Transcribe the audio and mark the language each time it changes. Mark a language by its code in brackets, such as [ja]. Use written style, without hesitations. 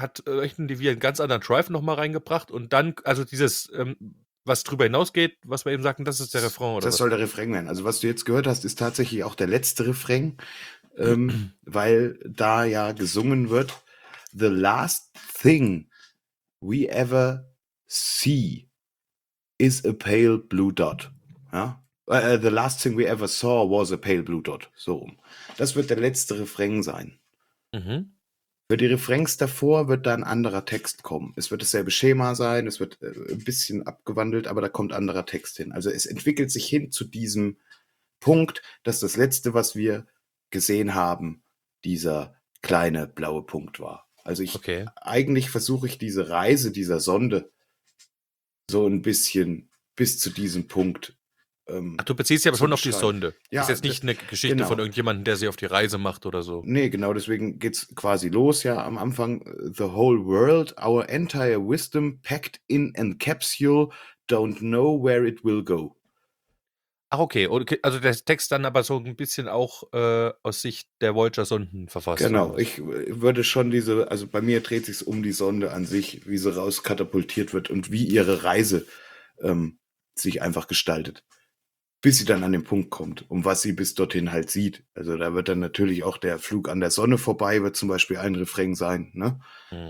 [de] Hat echt einen ganz anderen Drive nochmal reingebracht. Und dann, also dieses, was drüber hinausgeht, was wir eben sagten, das ist der Refrain, oder das was? Das soll der Refrain werden. Also was du jetzt gehört hast, ist tatsächlich auch der letzte Refrain, weil da ja gesungen wird, [en] the last thing we ever see is a pale blue dot. [de] Ja? [en] The last thing we ever saw was a pale blue dot. [de] So rum. Das wird der letzte Refrain sein. Mhm. Für die Refrains davor wird da ein anderer Text kommen. Es wird dasselbe Schema sein, es wird ein bisschen abgewandelt, aber da kommt anderer Text hin. Also es entwickelt sich hin zu diesem Punkt, dass das Letzte, was wir gesehen haben, dieser kleine blaue Punkt war. Also ich, okay. eigentlich versuche ich diese Reise dieser Sonde so ein bisschen bis zu diesem Punkt. Ach, du beziehst ja aber schon auf die Sonde. Ja, das ist jetzt nicht eine Geschichte genau. von irgendjemandem, der sie auf die Reise macht oder so. Nee, genau, deswegen geht's quasi los, ja, am Anfang. [en] The whole world, our entire wisdom packed in a capsule, don't know where it will go. [de] Ach, okay. Also der Text dann aber so ein bisschen auch aus Sicht der Voyager-Sonden verfasst. Genau. Ich würde schon diese, also bei mir dreht sich's um die Sonde an sich, wie sie rauskatapultiert wird und wie ihre Reise sich einfach gestaltet. Bis sie dann an den Punkt kommt, um was sie bis dorthin halt sieht. Also da wird dann natürlich auch der Flug an der Sonne vorbei, wird zum Beispiel ein Refrain sein, ne? Mhm.